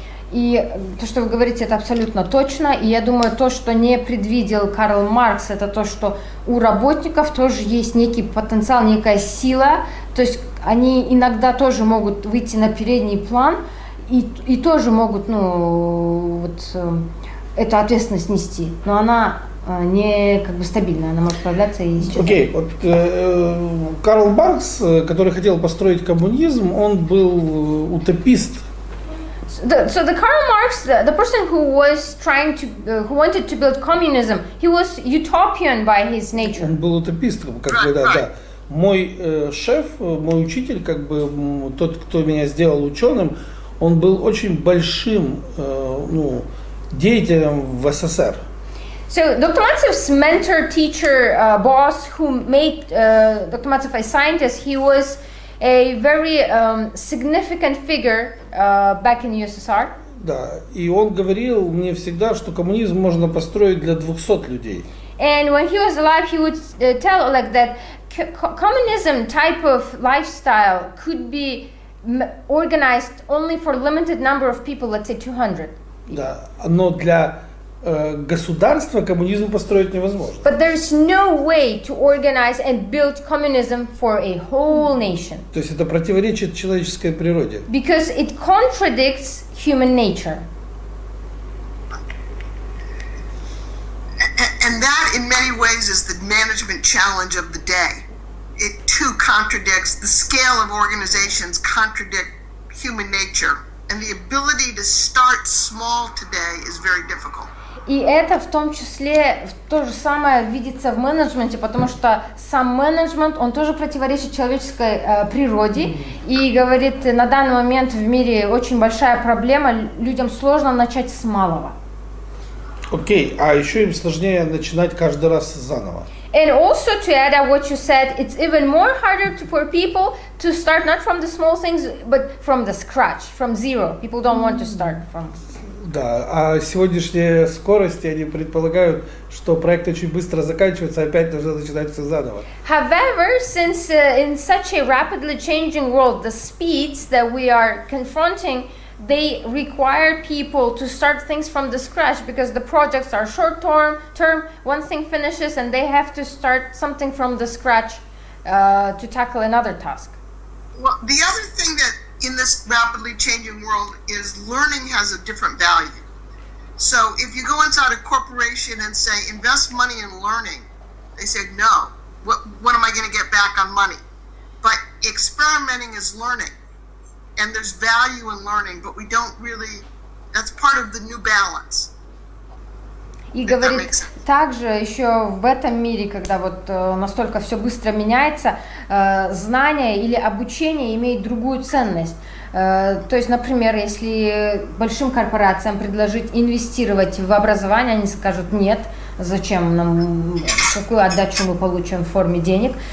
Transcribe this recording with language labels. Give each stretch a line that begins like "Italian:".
Russian: И то, что вы говорите, это абсолютно точно. И я думаю, то, что не предвидел Карл Маркс, это то, что у работников тоже есть некий потенциал, некая сила. То есть они иногда тоже могут выйти на передний план. И тоже могут, ну, вот эту ответственность нести, но она не как бы стабильная, она может появляться и исчезать. Окей, вот Карл Маркс, который хотел построить коммунизм, он был утопист.
English: So the Karl Marx, the person who was trying to, who wanted to build communism, he was utopian by his nature.
Russian: Он был утопист, как бы, да. Мой шеф, мой учитель, как бы тот, кто меня сделал ученым. Он был очень большим, ну, деятелем в СССР.
English: So, Dr. Matsev's mentor, teacher, boss, who made Dr. Matsev a scientist, he was a very significant figure back in the USSR.
Russian: Да, и он говорил мне всегда, что коммунизм можно построить для 200 людей.
English: And when he was alive, he would tell like that communism type of lifestyle could be organized only for limited number of people, let's say 200.
Russian: Да, но для государства коммунизм построить невозможно.
English: But there's no way to organize and build communism for a whole nation.
Russian: То есть это противоречит человеческой природе.
English: Because it contradicts human nature. And that in many ways is the management challenge of the day. It too contradicts the scale of organizations, contradict human nature, and the ability to start small today is very difficult.
Russian: И это в том числе то же самое видится в менеджменте, потому что сам менеджмент, он тоже противоречит человеческой природе и говорит, на данный момент в мире очень большая проблема, людям сложно начать с малого. Окей, а еще им сложнее начинать каждый раз заново.
English: And also to add up what you said, it's even more harder for people to start not from the small things, but from the scratch, from zero. People don't want to start from.
Russian: Да, а сегодняшние скорости, они предполагают, что проект очень быстро заканчивается, опять нужно начинать все заново.
English: However, since in such a rapidly changing world, the speeds that we are confronting, they require people to start things from the scratch because the projects are short term, one thing finishes and they have to start something from the scratch to tackle another task. Well, the other thing that in this rapidly changing world is learning has a different value. So if you go inside a corporation and say, invest money in learning, they say, no, what am I going to get back on money? But experimenting is learning, and there's value in learning, but we don't really, that's part of the new balance.
Russian: И говорит также еще в этом мире, когда вот настолько все быстро меняется, знание или обучение имеет другую ценность. То есть, например, если большим корпорациям предложить инвестировать в образование, они скажут нет, зачем нам, какую отдачу мы получим в форме денег.